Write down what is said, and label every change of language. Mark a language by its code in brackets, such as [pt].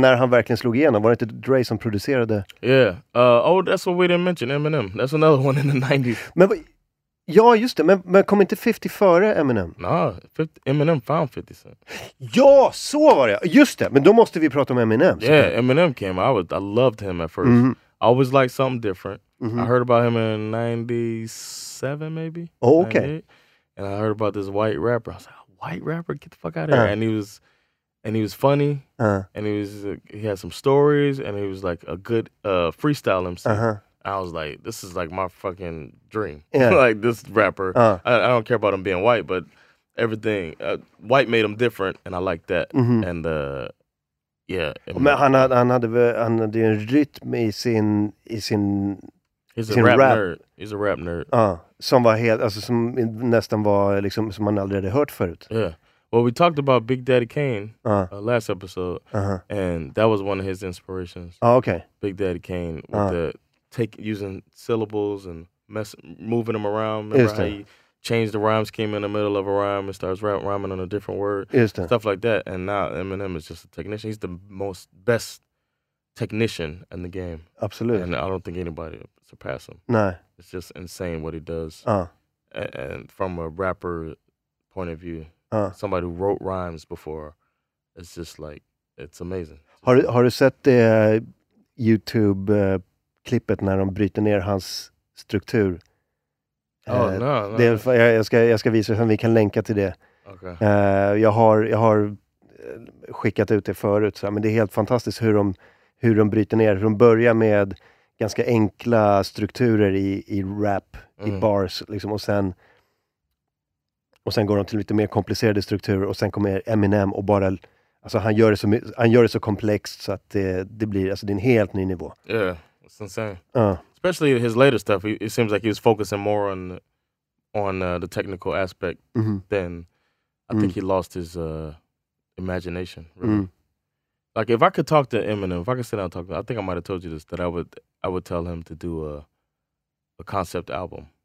[sv] när han verkligen slog igenom, var det inte Dre som producerade? [en] Yeah, that's what we didn't mention, Eminem. That's another one in the 90s. [sv] Men kom inte 50 före Eminem? [en] Nah, Eminem found 50 Cent. [sv] Ja, så var det! Just det, men då måste vi prata om Eminem. [en] Yeah, kan. Eminem came, I loved him at first. Mm-hmm. I always liked something different. Mm-hmm. I heard about him in 97, maybe? Oh, okay. 98. And I heard about this white rapper. I was like, white rapper? Get the fuck out of here. And he was funny. And he had some stories. And he was like a good freestyle MC. Uh-huh. I was like, this is like my fucking dream. Yeah. Like this rapper. I don't care about him being white, but everything. White made him different. And I like that. Mm-hmm. And yeah. [sv] Men han hade en rytm i sin... [en] He's a rap nerd. He's a rap nerd. [sv] Som var helt, alltså som nästan var liksom, som man aldrig hade hört förut. [en] Yeah. Well, we talked about Big Daddy Kane last episode, and that was one of his inspirations. Oh, okay. Big Daddy Kane with using syllables and moving them around. Remember how he changed the rhyme scheme in the middle of a rhyme and starts rhyming on a different word? Stuff like that. And now Eminem is just a technician. He's the best technician in the game. Absolutely. And I don't think anybody surpass him. No. It's just insane what he does. And from a rapper point of view, somebody who wrote rhymes before, it's just like, it's amazing. [sv] Har du sett det YouTube-klippet när de bryter ner hans struktur? [en] No. [sv] Jag ska visa hur vi kan länka till det. [en] Okay. [sv] Jag har skickat ut det förut, så, men det är helt fantastiskt hur de bryter ner. De börjar med ganska enkla strukturer i rap, i bars, liksom, och sen Och sen går de till lite mer komplicerade strukturer. Och sen kommer Eminem och bara... Alltså han gör det så komplext så att det blir... Alltså det är en helt ny nivå. [en] Yeah, it's insane. Especially his later stuff. It seems like he was focusing more on the technical aspect than... I think he lost his imagination. Really. Mm. Like if I could talk to Eminem, if I could sit down and talk to him, I think I might have told you this, that I would tell him to do a concept album.